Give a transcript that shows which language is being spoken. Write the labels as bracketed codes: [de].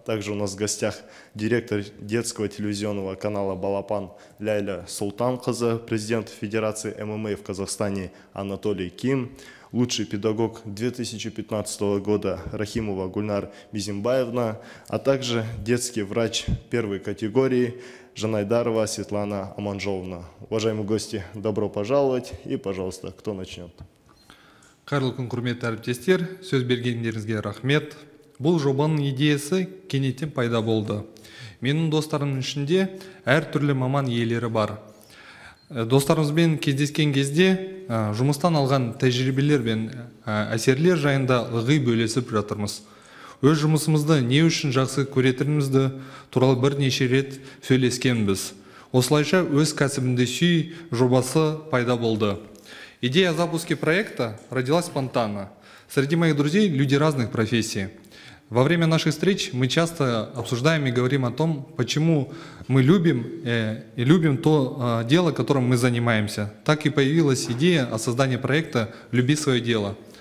[ru] Также у нас в гостях директор детского телевизионного канала «Балапан» Ляйля Султанқызы, президент Федерации ММА в Казахстане Анатолий Ким, лучший педагог 2015 года Рахимова Гульнар Мизимбаевна, а также детский врач первой категории Жанайдарова Светлана Аманжоловна. Уважаемые гости, добро пожаловать и, пожалуйста, кто начнет? [kk] Қайырлы күн, құрметті әріптестер, сөз бергендеріңізге рахмет. Бұл жобаның идеясы кенеттен пайда болды. Менің достарымның ішінде әр түрлі маман иелері бар. Достарымызбен кездескен кезде жұмыстан алған тәжірибелер мен әсерлер жайында ылғи бөлісіп жатырмыз. Өз жұмысымызды не үшін жақсы көретінімізді туралы бірнеше рет сөйлескенбіз. Осылайша өз кәсібімді сүй жобасы пайда болды. [ru] Идея запуска проекта родилась спонтанно. Среди моих друзей люди разных профессий. Во время наших встреч мы часто обсуждаем и говорим о том, почему мы любим и любим то дело, которым мы занимаемся. Так и появилась идея о создании проекта «Люби свое дело».